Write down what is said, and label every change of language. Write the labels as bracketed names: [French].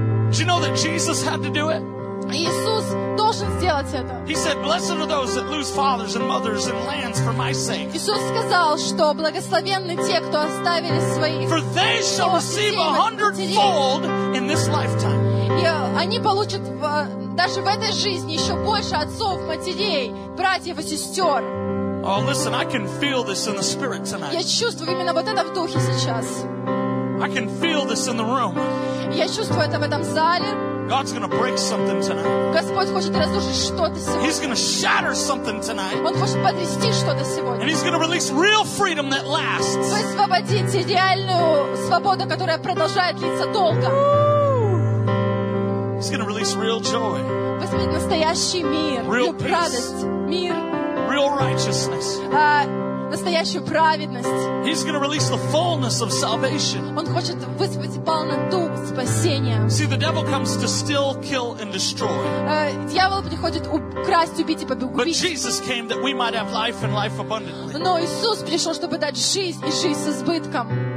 [English] Do you know that Jesus had to do it? [Russian] Иисус должен сделать это. [English] He said, "Blessed are those that lose fathers and mothers and lands for my sake." [Russian] Иисус сказал, что благословенны те, кто оставили своих. [English] For they shall receive a hundredfold in this lifetime. [Russian] И они получат даже в этой жизни еще больше отцов, матерей, братьев и сестер. [English] Oh, listen, I can feel this in the spirit tonight. [Russian] Я чувствую именно вот это в духе сейчас. [English] I can feel this in the room. [Russian] Я чувствую это в этом зале. [English] God's going to break something tonight. [Russian] Господь хочет разрушить что-то сегодня. [English] He's going to shatter something tonight. [Russian] Он хочет потрясти что-то сегодня. [English] And he's going to release real freedom that lasts. [Russian] Высвободить реальную свободу, которая продолжает длиться долго. [English] He's going to release real joy. [Russian] Высвободить настоящий мир. [English] Real peace. [Russian] Радость, мир. [English] Real righteousness. [Russian] Настоящую праведность. [English] He's going to release the fullness of salvation. [Russian] Он хочет вызвать полноту спасения. [English] See, the devil comes to steal, kill, and destroy. [Russian] Дьявол приходит украсть, убить и погубить. [English] But Jesus came that we might have life and life abundantly. [Russian] Но Иисус пришел, чтобы дать жизнь и жизнь с избытком.